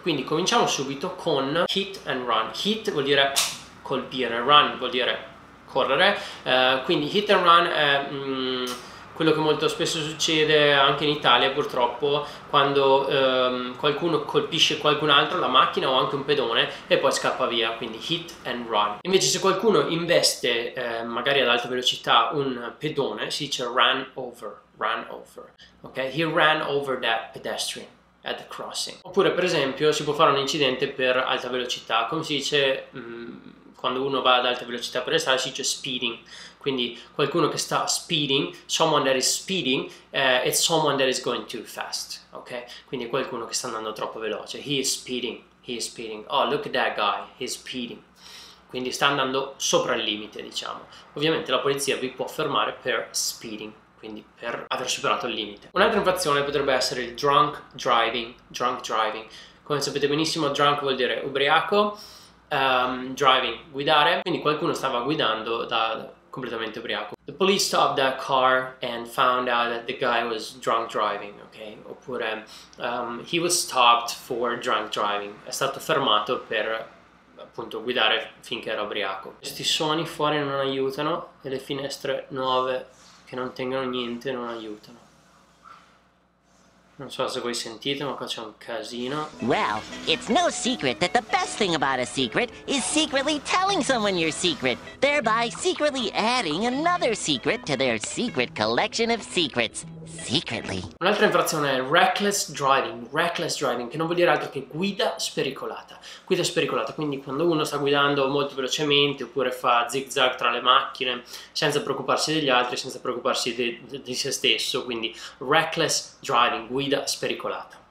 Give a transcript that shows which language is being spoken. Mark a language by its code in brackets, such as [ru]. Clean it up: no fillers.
[it] Quindi cominciamo subito con hit and run. Hit vuol dire colpire, run vuol dire correre, quindi hit and run è quello che molto spesso succede anche in Italia purtroppo quando qualcuno colpisce qualcun altro, la macchina o anche un pedone e poi scappa via, quindi hit and run. Invece se qualcuno investe magari ad alta velocità un pedone si dice run over, ok? [en] He ran over that pedestrian at the crossing. [it] Oppure per esempio si può fare un incidente per alta velocità, come si dice quando uno va ad alta velocità per le strade si dice speeding, quindi qualcuno che sta speeding, [en] someone that is speeding, it's someone that is going too fast, [it] ok? Quindi qualcuno che sta andando troppo veloce. [en] He is speeding, oh look at that guy, he's speeding. [it] Quindi sta andando sopra il limite, diciamo. Ovviamente la polizia vi può fermare per speeding, quindi per aver superato il limite. Un'altra infrazione potrebbe essere il drunk driving, come sapete benissimo, drunk vuol dire ubriaco. Driving, guidare, quindi qualcuno stava guidando da completamente ubriaco. [en] The police stopped that car and found out that the guy was drunk driving, ok? [it] Oppure [en] he was stopped for drunk driving, [it] è stato fermato per appunto guidare finché era ubriaco. Questi suoni fuori non aiutano e le finestre nuove che non tengono niente non aiutano. Non so se voi sentite, ma qua c'è un casino. [en] Well, it's no secret that the best thing about a secret is secretly telling someone your secret, thereby secretly adding another secret to their secret collection of secrets. Secretly. [it] Un'altra infrazione è reckless driving, che non vuol dire altro che guida spericolata, quindi quando uno sta guidando molto velocemente oppure fa zigzag tra le macchine senza preoccuparsi degli altri, senza preoccuparsi di se stesso, quindi reckless driving, guida spericolata.